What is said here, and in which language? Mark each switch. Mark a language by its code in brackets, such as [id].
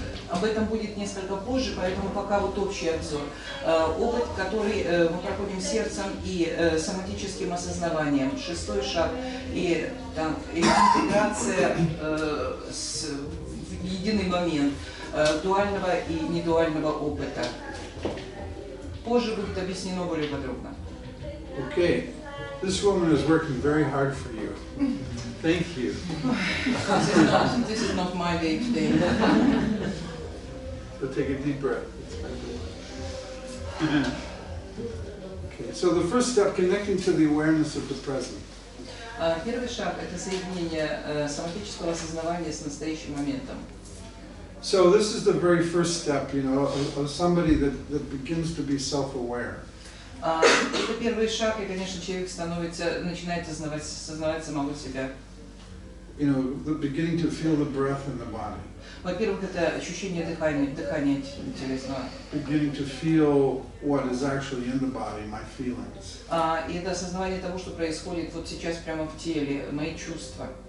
[ru] Об этом будет несколько позже, поэтому пока вот общий обзор. Опыт, который мы проходим сердцем и соматическим осознаванием. Шестой шаг и там, интеграция в единый момент дуального и недуального опыта. Позже будет объяснено более подробно. [en] Okay. This woman is working very hard for you. Thank you. This is not my day today. So take a deep breath. Okay. So the first step, connecting to the awareness of the present. [ru] Первый шаг – это соединение соматического осознавания с настоящим моментом. [en] So this is the very first step, you know, of somebody that begins to be self-aware. [ru] Это первый шаг, и, конечно, человек начинает осознавать самого себя. [en] You know, the beginning to feel the breath in the body. [ru] Во-первых, это ощущение дыхания телесного. [en] Beginning to feel what is actually in the body, my feelings. [ru] И это осознавание того, что происходит вот сейчас прямо в теле, мои чувства.